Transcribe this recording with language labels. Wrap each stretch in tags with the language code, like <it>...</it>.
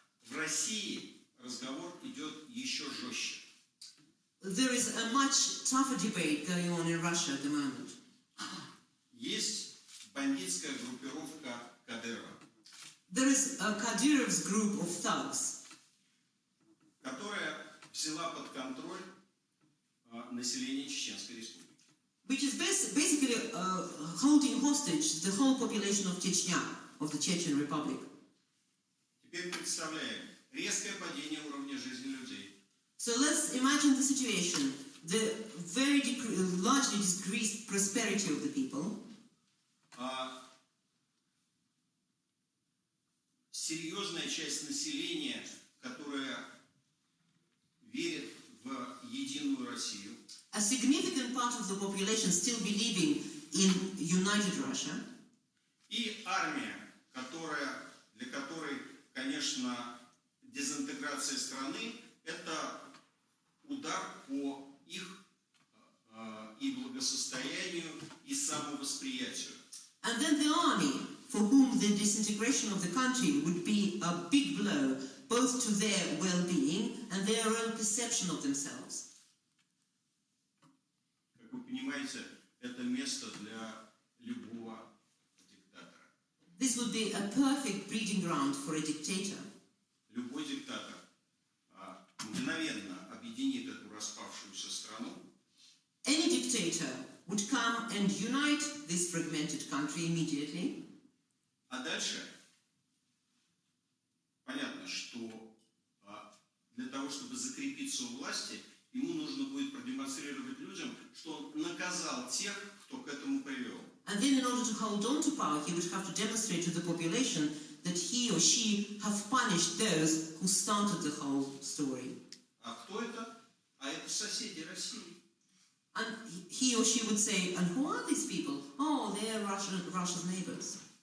<ru>В России разговор идет еще жестче.</ru> <en>There is a much tougher debate going on in Russia at the moment.</en> <ru>Есть бандитская группировка Кадырова.</ru> <en>There is a Kadyrov's group of thugs.</en> <ru>Которая взяла под контроль население Чеченской Республики.</ru> <en>Which is basically holding hostage the whole population of Chechnya, of the Chechen Republic.</en> <ru>Теперь представляем резкое падение уровня жизни людей.</ru> <en>So let's imagine the situation. The very largely decreased prosperity of the people.</en> <ru>Серьезная часть населения, которая верит в единую Россию.</ru> <en>A significant part of the population still believing in united Russia.</en> <ru>И армия, которая, для которой, конечно, дезинтеграция страны это удар по их и благосостоянию и самовосприятию.</ru> <en>And then the army, for whom the disintegration of the country would be a big blow both to their well-being and their own perception of themselves.</en> <ru>Понимаете, это место для любого диктатора.</ru> <en>This would be a perfect breeding ground for a dictator.</en> <ru>Любой диктатор мгновенно объединит эту распавшуюся страну.</ru> <en>Any dictator would come and unite this fragmented country immediately.</en> <ru>А дальше понятно, что для того, чтобы закрепиться у власти, ему нужно будет продемонстрировать людям, что он наказал тех, кто к этому привел.</ru> <en>And then in order to hold on to power, he would have to demonstrate to the population that he or she have punished those who started the whole story.</en> <ru>А кто это? А это соседи России.</ru> <en>And he or she would say, and who are these people? Oh, they're Russia's neighbors.</en>